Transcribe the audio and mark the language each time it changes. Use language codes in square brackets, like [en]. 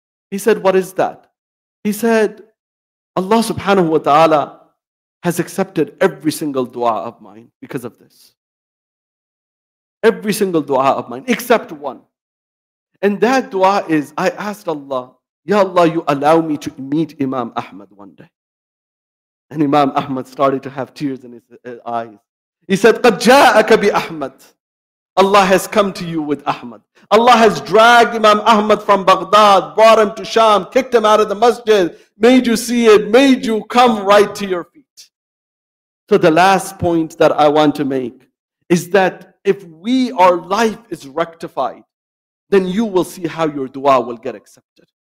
[en] He said, what is that? He said, Allah subhanahu wa ta'ala has accepted every single dua of mine because of this. Every single dua of mine, except one. And that dua is, I asked Allah, Ya Allah, you allow me to meet Imam Ahmad one day. And Imam Ahmad started to have tears in his eyes. He said, [ar] قَدْ جَاءَكَ بِأَحْمَدٍ. [en] Allah has come to you with Ahmad. Allah has dragged Imam Ahmad from Baghdad, brought him to Sham, kicked him out of the masjid, made you see it, made you come right to your feet. So the last point that I want to make is that if we, our life is rectified, then you will see how your dua will get accepted.